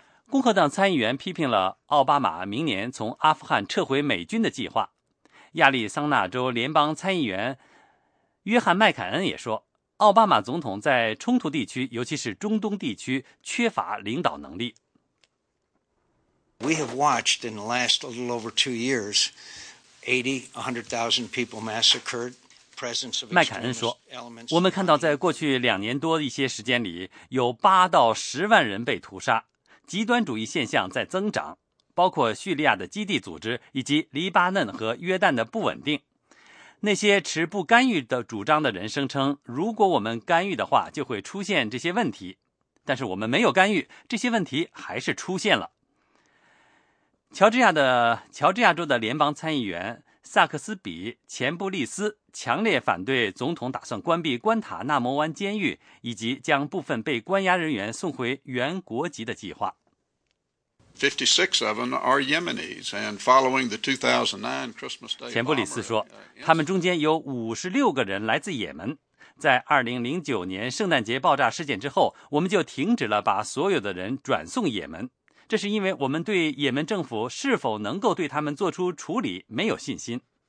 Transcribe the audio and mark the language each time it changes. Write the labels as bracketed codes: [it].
[zh] 共和党参议员批评了奥巴马明年从阿富汗撤回美军的计划。亚利桑那州联邦参议员约翰·麦凯恩也说，奥巴马总统在冲突地区，尤其是中东地区，缺乏领导能力。 [en] We have watched in the last a little over 2 years, 80,000 people massacred. [zh] 麦凯恩说，我们看到在过去两年多一些时间里，有8-10万人被屠杀，极端主义现象在增长，包括叙利亚的基地组织以及黎巴嫩和约旦的不稳定。那些持不干预的主张的人声称，如果我们干预的话，就会出现这些问题，但是我们没有干预，这些问题还是出现了。乔治亚州的联邦参议员萨克斯比·钱布利斯强烈反对总统打算关闭关塔纳摩湾监狱以及将部分被关押人员送回原国籍的计划。 [en] 56 of them are Yemenis, and following the 2009 Christmas Day. [zh] 钱布里斯说，他们中间有56个人来自也门。在2009年圣诞节爆炸事件之后，我们就停止了把所有的人转送也门。这是因为我们对也门政府是否能够对他们做出处理没有信心。